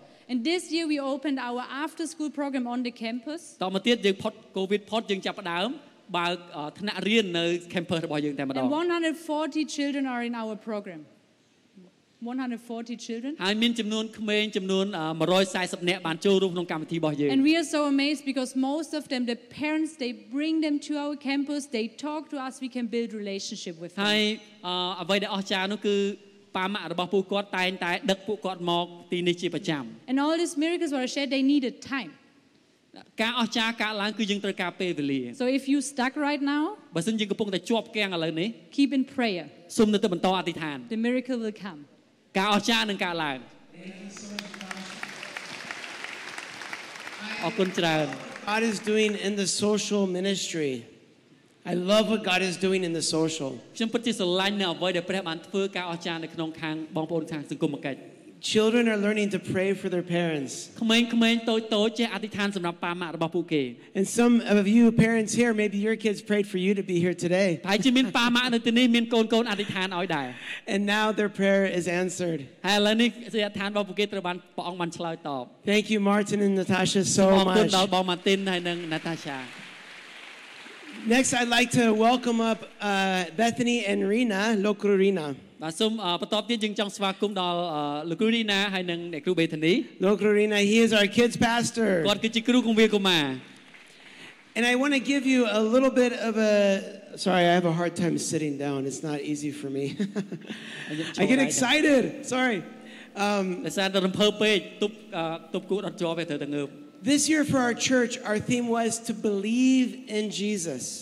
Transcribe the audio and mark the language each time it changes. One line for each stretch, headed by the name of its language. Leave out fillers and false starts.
English: And And this year we opened our after school program on the campus.
Khmer: តោះមកទៀតយើងផុតកូវីដផុតយើងចាប់ផ្ដើមបើកថ្នាក់រៀននៅ campus របស់យើងតែម្ដង
English: 140 children are in our program. 140 children.
Khmer: ហើយមានចំនួនក្មេងចំនួន140នាក់បានចូលរួមក្នុងកម្មវិធីរបស់យើង
English: And we are so amazed because most of them the parents they bring them to our campus they talk to us we can build relationship with them.
Khmer: ហើយអ្វីដែលអស្ចារ្យនោះគឺប៉ាម៉ាក់របស់ពួកគាត់តែងតែដឹកពួកគាត់មកទីនេះជាប្រចាំ
English: And all these miracles were shared they needed time.
Khmer: ការអស្ចារ្យកើតឡើងគឺយើងត្រូវការពេលវេលា
English: So if you stuck right now
Khmer: បើសិនយើងកំពុងតែជាប់គាំងឥឡូវនេះ
English: Keep in prayer.
Khmer: សូមនៅតែបន្តអធិដ្ឋាន
English: The miracle will come.
Khmer: ការអស្ចារ្យនឹងកើតឡើងអរគុណច្រើន
English: God is doing in the social ministry I love what God is doing in the social
Khmer: ខ្ញុំពិតជាស្រឡាញ់នៅអ្វីដែលព្រះបានធ្វើការអស្ចារ្យនៅក្នុងខាងបងប្អូនខាងសង្គមកិច្ច
English: Children are learning to pray for their parents
Khmer: ក្មេងតូចតូចចេះអធិដ្ឋានសម្រាប់ប៉ាម៉ាក់របស់ពួកគេ
English: And some of you parents here maybe your kids prayed for you to be here today
Khmer: ហើយជាមានប៉ាម៉ាក់នៅទីនេះមានកូនកូនអធិដ្ឋានឲ្យដែរ
English: And now their prayer is answered
Khmer: ហើយឥឡូវនេះអធិដ្ឋានរបស់ពួកគេត្រូវបានព្រះអង្គបានឆ្លើយតប
English: Thank you Martin and Natasha so much
Khmer: អរគុណដល់បងម៉ាទីនហើយនិង Natasha
English: Next I'd like to welcome up Bethany and Rina Lokrurina
Khmer: បាទសូមបន្តទៀតយើងចង់ស្វាគមន៍ដល់លោកគ្រូរីណាហើយនិងអ្នកគ្រូបេធានី
English: លោកគ្រូរីណា he is our kids pastor
Khmer: គាត់គឺជាគ្រូគង្វាលកុមារ
English: and I want to give you a little bit of a sorry I have a hard time sitting down it's not easy for me I get excited sorry
Khmer: សាដរំភើពេកទប់គូអត់ជាប់ទេត្រូវតែងើប
English: This year for our church our theme was to believe in Jesus